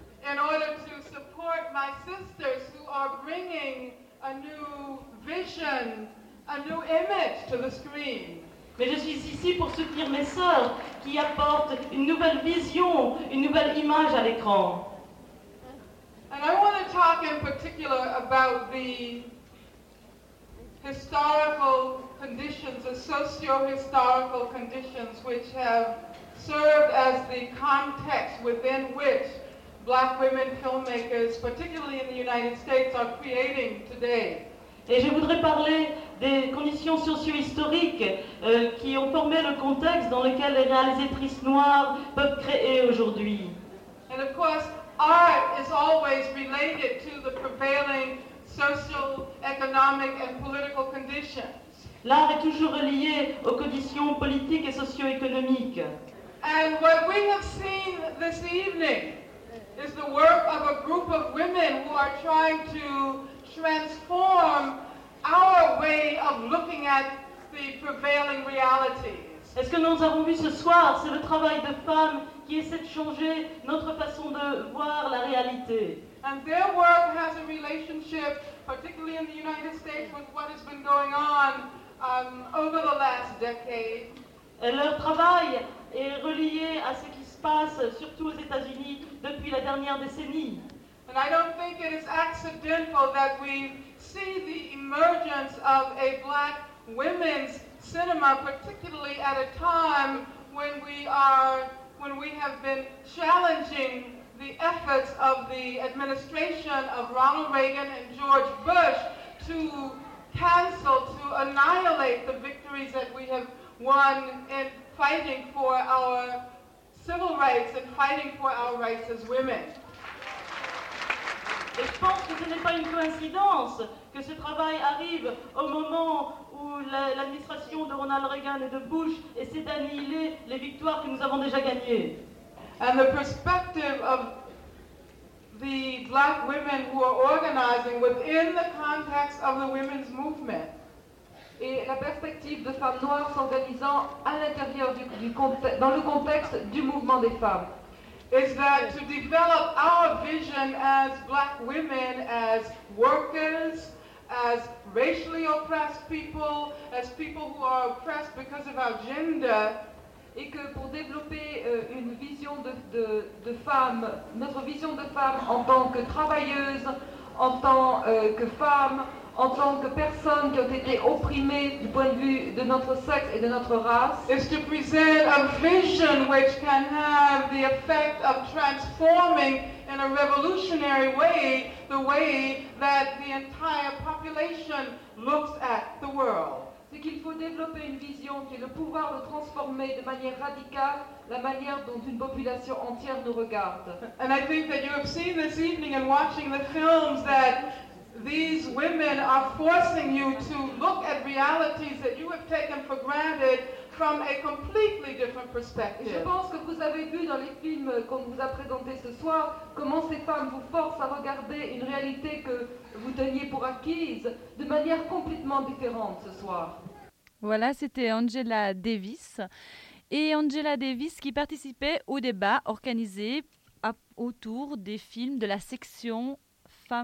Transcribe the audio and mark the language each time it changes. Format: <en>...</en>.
<en>In order to support my sisters who are bringing a new vision, a new image to the screen.</en> <fr>Mais je suis ici pour soutenir mes sœurs qui apportent une nouvelle vision, une nouvelle image à l'écran.</fr> <en>And I want to talk in particular about the historical conditions, the socio-historical conditions which have served as the context within which Black women filmmakers, particularly in the United States, are creating today.</en> <fr>Et je voudrais parler des conditions socio-historiques qui ont formé le contexte dans lequel les réalisatrices noires peuvent créer aujourd'hui.</fr> <en>And of course, art is always related to the prevailing social, economic, and political conditions.</en> <fr>L'art est toujours relié aux conditions politiques et socio-économiques.</fr> <en>And what we have seen this evening is the work of a group of women who are trying to transform our way of looking at the prevailing realities.</en> <fr>Et ce que nous avons vu ce soir, c'est le travail de femmes qui essaient de changer notre façon de voir la réalité.</fr> <en>And their work has a relationship, particularly in the United States, with what has been going on over the last decade.</en> <fr>Et leur travail est relié à ce qui se passe, surtout aux États-Unis, depuis la dernière décennie.</fr> <en>And I don't think it is accidental that we see the emergence of a black women's cinema, particularly at a time when we have been challenging the efforts of the administration of Ronald Reagan and George Bush to cancel, to annihilate the victories that we have won in fighting for our civil rights and fighting for our rights as women.</en> <fr>Et je pense que ce n'est pas une coïncidence que ce travail arrive au moment où l'administration de Ronald Reagan et de Bush essaie d'annihiler les victoires que nous avons déjà gagnées.</fr> <en>And the perspective of the black women who are organizing within the context of the women's movement.</en> <fr>Et la perspective de femmes noires s'organisant à l'intérieur dans le contexte du mouvement des femmes.</fr> <en>Is that to develop our vision as black women, as workers, as racially oppressed people, as people who are oppressed because of our gender,</en> <fr>et que pour développer une vision de femme, notre vision de femme en tant que travailleuse, en tant que femme, en tant que personne qui ont été opprimées du point de vue de notre sexe et de notre race,</fr> <en>is to present a vision which can have the effect of transforming in a revolutionary way the way that the entire population looks at the world.</en> <fr>C'est qu'il faut développer une vision qui ait le pouvoir de transformer de manière radicale la manière dont une population entière nous regarde.</fr> <en>And I think that you have seen this evening in watching the films that these women are forcing you to look at realities that you have taken for granted from a completely different perspective.</en> <fr>Je pense que vous avez vu dans les films qu'on vous a présentés ce soir comment ces femmes vous forcent à regarder une réalité que vous teniez pour acquise de manière complètement différente ce soir. Voilà, c'était Angela Davis. Et Angela Davis qui participait au débat organisé autour des films de la section femme...</fr>